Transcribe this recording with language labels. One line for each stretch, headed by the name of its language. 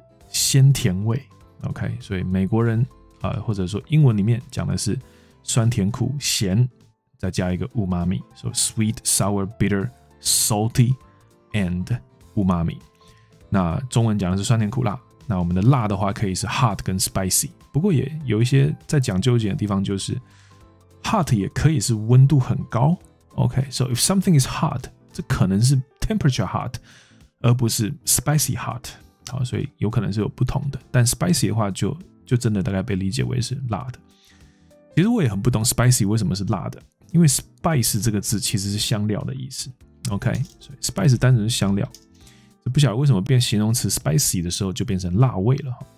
Chinese: 鲜甜味 ，OK， 所以美国人或者说英文里面讲的是酸甜苦咸，再加一个 umami， 所、so、以
English: sweet sour bitter salty and umami。
Chinese: 那中文讲的是酸甜苦辣，那我们的辣的话可以是 hot 跟 spicy， 不过也有一些在讲究一点的地方，就是 hot 也可以是温度很高。 OK,
English: so if something is hot,
Chinese: 这可能是 temperature hot, 而不是 spicy hot。好，所以有可能是有不同的。但 spicy 的话就真的大概被理解为是辣的。其实我也很不懂 spicy 为什么是辣的，因为 spice 这个字其实是香料的意思。 OK, 所以 spice 单纯是香料。不晓得为什么变形容词 spicy 的时候就变成辣味了。